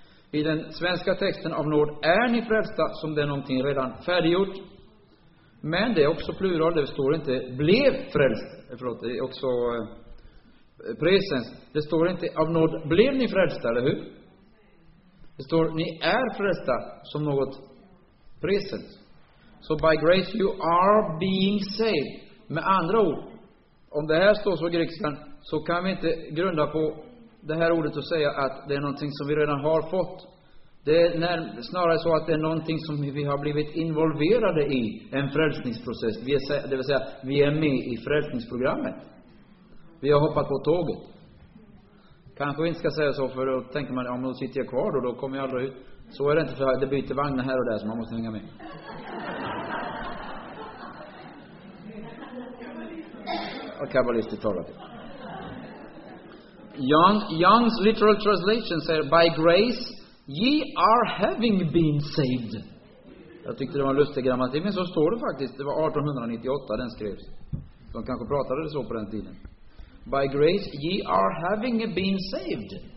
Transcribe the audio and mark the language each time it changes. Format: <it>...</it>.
<sv>I den svenska texten av nåd är ni frälsta, som det är någonting redan färdiggjort. Men det är också plural, det står inte blev frälst. Förlåt, det är också presens. Det står inte av nåd blev ni frälsta, eller hur? Det står ni är frälsta som något presens.</sv> <en>So by grace you are being saved.</en> <sv>Med andra ord, om det här står så i grekskan, så kan vi inte grunda på det här ordet och säga att det är någonting som vi redan har fått. Det är snarare så att det är någonting som vi har blivit involverade i, en frälsningsprocess. Det vill säga, vi är med i frälsningsprogrammet. Vi har hoppat på tåget. Kanske vi inte ska säga så, för då tänker man, om ja, då sitter jag kvar då kommer jag aldrig ut. Så är det inte, för det byter vagnar här och där, så man måste hänga med. Och kabbalister talar till.</sv> <en>Young's literal translation</en> <sv>säger,</sv> <en>by grace ye are having been saved.</en> <sv>Jag tyckte det var en lustig grammatik, men så står det faktiskt. Det var 1898 den skrevs. De kanske pratade det så på den tiden.</sv> <en>By grace ye are having been saved.</en>